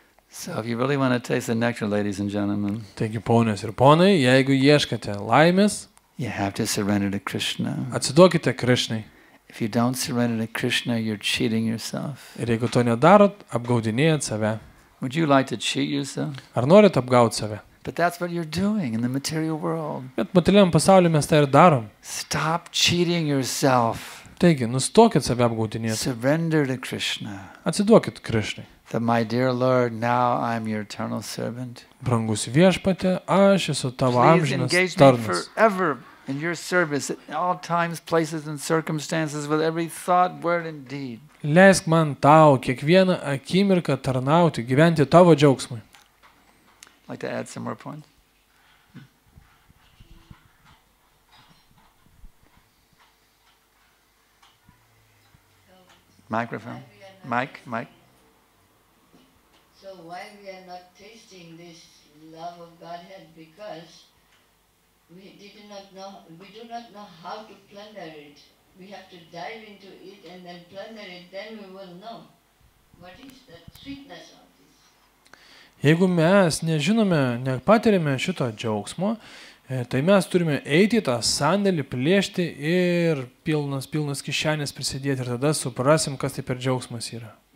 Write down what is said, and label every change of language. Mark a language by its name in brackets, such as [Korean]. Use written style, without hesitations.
[English] So if you really want to taste the nectar, ladies and gentlemen, [Lithuanian] taigi ponios ir ponai, jeigu ieškate laimės, [English] you have to surrender to Krishna. [Lithuanian] Atsiduokite Krishnai. [English] If you don't surrender to Krishna, you're cheating yourself. [Lithuanian] Ir jeigu to nedarot, apgaudinėjat save. [English] Would you like to cheat yourself? [Lithuanian] Ar norit apgaut save? [English] But that's what you're doing in the material world. [Lithuanian] Bet materialiam pasaulyje mes tai ir darom. [English] Stop cheating yourself. [Lithuanian] Taigi, nustokit save apgaudinėti. [English] Surrender to Krishna. [Lithuanian] Atsiduokit Krishnai. [English] That my dear Lord, now I'm your eternal servant. [Lithuanian] Brangus viešpatė, aš esu tavo amžinas tarnas. [English] Please engage me forever in your service at all times, places and circumstances with every thought, word and deed. [Lithuanian] Leisk man tau kiekvieną akimirką tarnauti, gyventi tavo džiaugsmui. [English] Like to add some more points? Microphone. Mic. So why we are not tasting this love of Godhead? Because we do not know how to plunder it. We have to dive into it and then plunder it, then we will know what is the sweetness of this. [Lithuanian] Jeigu mes nežinome, nepatiriame šito džiaugsmo, Tai mes turime eiti tą sandėlį, plėšti ir pilnas kišenės prisidėti ir tada suprasim, kas tai per džiaugsmas yra.